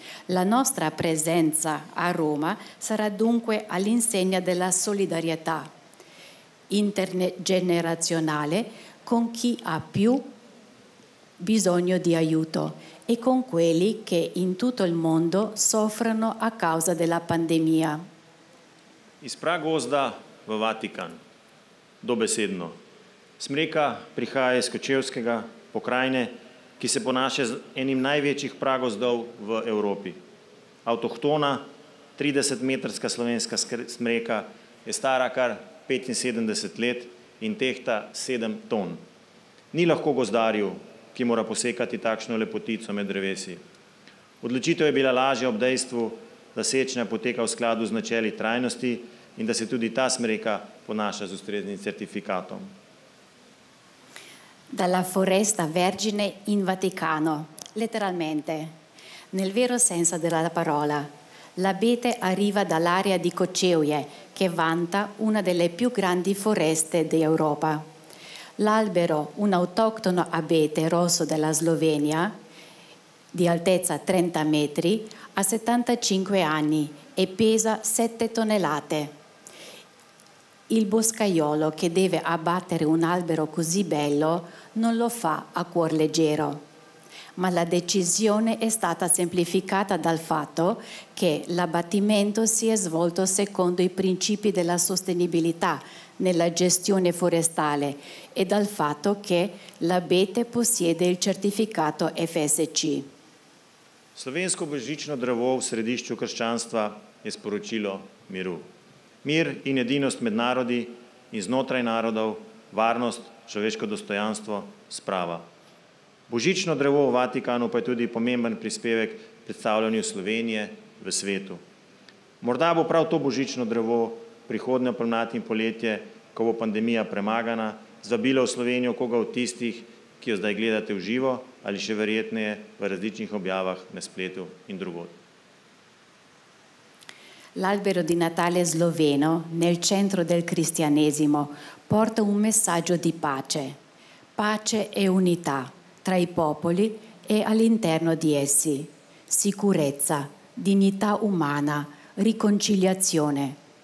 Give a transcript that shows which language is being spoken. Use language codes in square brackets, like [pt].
[it] La nostra presenza a Roma sarà dunque all'insegna della solidarietà intergenerazionale con chi ha più bisogno di aiuto e con quelli che in tutto il mondo soffrono a causa della pandemia. [sl] Iz Pragozda v Vatikan, dobesedno. Smreka prihaja iz Kočevskega pokrajine, ki se ponaša z enim največjih pragozdov v Evropi. Avtohtona, 30-metrska slovenska smreka je stara kar 75 let in tehta 7 ton. Ni lahko gozdarju, ki mora posekati takšno lepotico med drevesi. Odločitev je bila lažja ob dejstvu, da sečnja poteka v skladu z načeli trajnosti in da se tudi ta smreka ponaša z ustreznim certifikatom. [it] Dalla foresta vergine in Vaticano, letteralmente, nel vero senso della parola, l'abete arriva dall'area di Kočevje, che vanta una delle più grandi foreste d'Europa. L'albero, un autoctono abete rosso della Slovenia, di altezza 30 metri, ha 75 anni e pesa 7 tonnellate. Il boscaiolo che deve abbattere un albero così bello non lo fa a cuor leggero. Ma la decisione è stata semplificata dal fatto che l'abbattimento si è svolto secondo i principi della sostenibilità nella gestione forestale e dal fatto che l'abete possiede il certificato FSC. [sl] Slovensko božično drevo v središču krščanstva je sporočilo miru. Mir in edinost med narodi in znotraj narodov, varnost, človeško dostojanstvo, sprava. Božično drevo v Vatikanu pa je tudi pomemben prispevek predstavljanju Slovenije v svetu. Morda bo prav to božično drevo prihodnjo pomlad in poletje, ko bo pandemija premagana, zabila v Slovenijo koga od tistih, ki jo zdaj gledate v živo ali še verjetneje v različnih objavah na spletu in drugod. [it] L'albero di Natale sloveno nel centro del cristianesimo porta un messaggio di pace, pace e unità tra i popoli e all'interno di essi, sicurezza, dignità umana, riconciliazione.